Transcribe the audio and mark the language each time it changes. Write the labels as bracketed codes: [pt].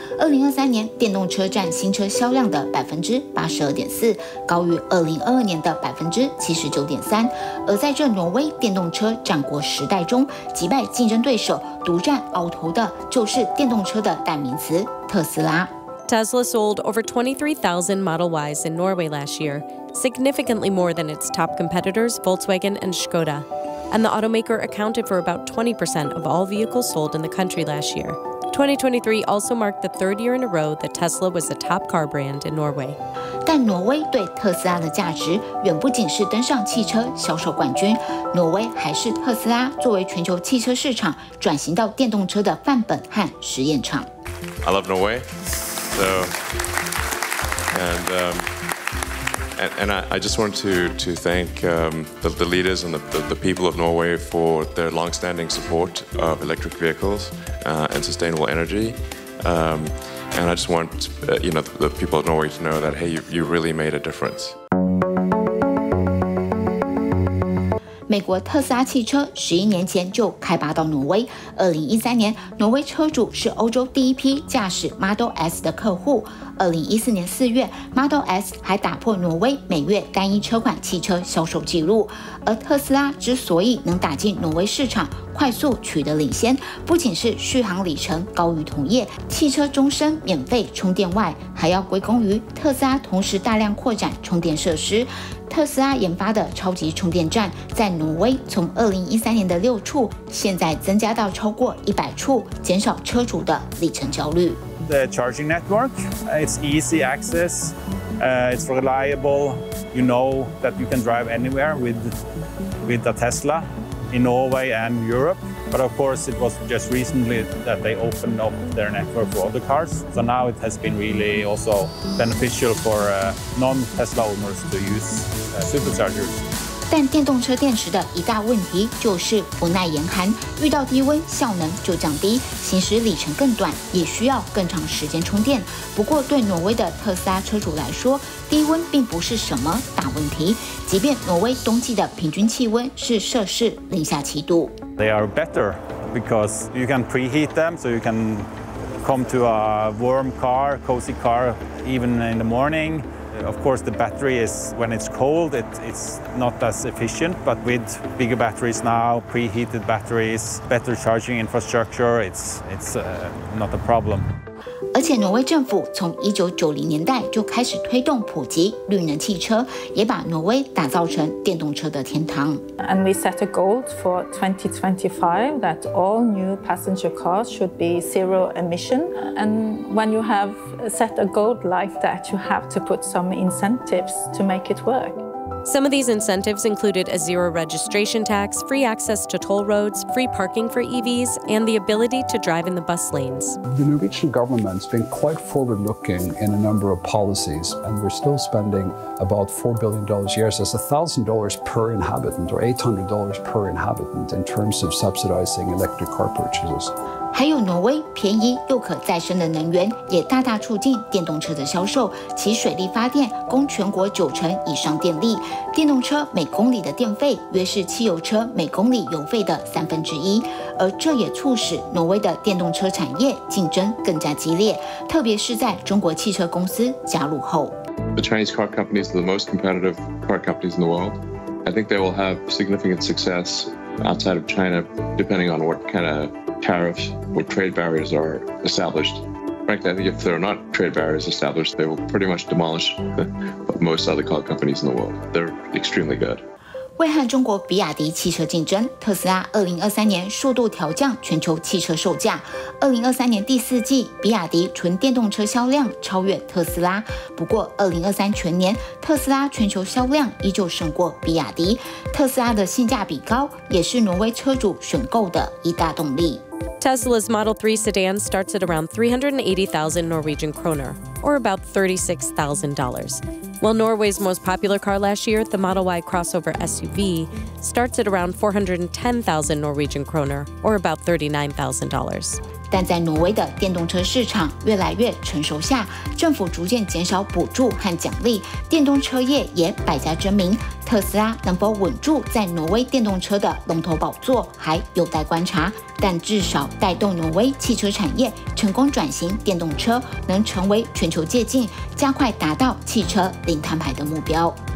[zh] 2023年电动车占新车销量的82.4%，高于2022年的79.3%。而在这挪威电动车战国时代中，击败竞争对手、独占鳌头的，就是电动车的代名词特斯拉。 [en] Tesla sold over 23,000 Model Ys in Norway last year, significantly more than its top competitors Volkswagen and Skoda. And the automaker accounted for about 20% of all vehicles sold in the country last year. 2023 also marked the third year in a row that Tesla was the top car brand in Norway. [zh] 但挪威对特斯拉的价值远不仅是登上汽车销售冠军，挪威还是特斯拉作为全球汽车市场转型到电动车的范本和实验场。 [en] I love Norway. So, I just want to thank the leaders and the people of Norway for their long-standing support of electric vehicles and sustainable energy. And I just want the people of Norway to know that, hey, you really made a difference. [zh] 美国特斯拉汽车11年前就开拔到挪威。 2013年，挪威车主是欧洲第一批驾驶 Model S 的客户。 2014年4月 ，Model S 还打破挪威每月单一车款汽车销售记录。而特斯拉之所以能打进挪威市场，快速取得领先，不仅是续航里程高于同业、汽车终身免费充电外，还要归功于特斯拉同时大量扩展充电设施。特斯拉研发的超级充电站在挪威从2013年的6处，现在增加到超过100处，减少车主的里程焦虑。 [en] The charging network, it's easy access, it's reliable. You know that you can drive anywhere with the Tesla in Norway and Europe. But of course, it was just recently that they opened up their network for other cars. So now it has been really also beneficial for non-Tesla owners to use superchargers. [zh] 但电动车电池的一大问题就是不耐严寒，遇到低温效能就降低，行驶里程更短，也需要更长时间充电。不过对挪威的特斯拉车主来说，低温并不是什么大问题，即便挪威冬季的平均气温是摄氏零下七度。 [en] They are better because you can preheat them, so you can come to a warm car, cozy car, even in the morning. Of course, the battery is, when it's cold, it's not as efficient, but with bigger batteries now, preheated batteries, better charging infrastructure, it's not a problem. [zh] 而且挪威政府从1990年代就开始推动普及绿能汽车，也把挪威打造成电动车的天堂。 [en] And we set a goal for 2025 that all new passenger cars should be zero emission. And when you have set a goal like that, you have to put some incentives to make it work. Some of these incentives included a zero registration tax, free access to toll roads, free parking for EVs, and the ability to drive in the bus lanes. The Norwegian government's been quite forward-looking in a number of policies, and we're still spending about $4 billion a year. So that's $1,000 per inhabitant, or $800 per inhabitant, in terms of subsidizing electric car purchases. [zh] 还有挪威便宜又可再生的能源，也大大促进电动车的销售。其水力发电供全国90%以上电力，电动车每公里的电费约是汽油车每公里油费的三分之一。而这也促使挪威的电动车产业竞争更加激烈，特别是在中国汽车公司加入后。 [en] The Chinese car companies are the most competitive car companies in the world. I think they will have significant success outside of China, depending on what kind of. Tariffs or trade barriers are established. Frankly, I think if there are not trade barriers established, they will pretty much demolish most other car companies in the world. They're extremely good. [zh] 为和中国比亚迪汽车竞争，特斯拉2023年数度调降全球汽车售价。 2023年第四季，比亚迪纯电动车销量超越特斯拉。不过2023全年，特斯拉全球销量依旧胜过比亚迪。特斯拉的性价比高，也是挪威车主选购的一大动力。 [en] Tesla's Model 3 sedan starts at around 380,000 Norwegian kroner, or about $36,000. While Norway's most popular car last year, the Model Y crossover SUV, starts at around 410,000 Norwegian kroner, or about $39,000. [zh] 但在挪威的电动车市场越来越成熟下，政府逐渐减少补助和奖励，电动车业也百家争鸣。特斯拉能否稳住在挪威电动车的龙头宝座还有待观察，但至少带动挪威汽车产业成功转型电动车，能成为全球借鉴，加快达到汽车零碳排的目标。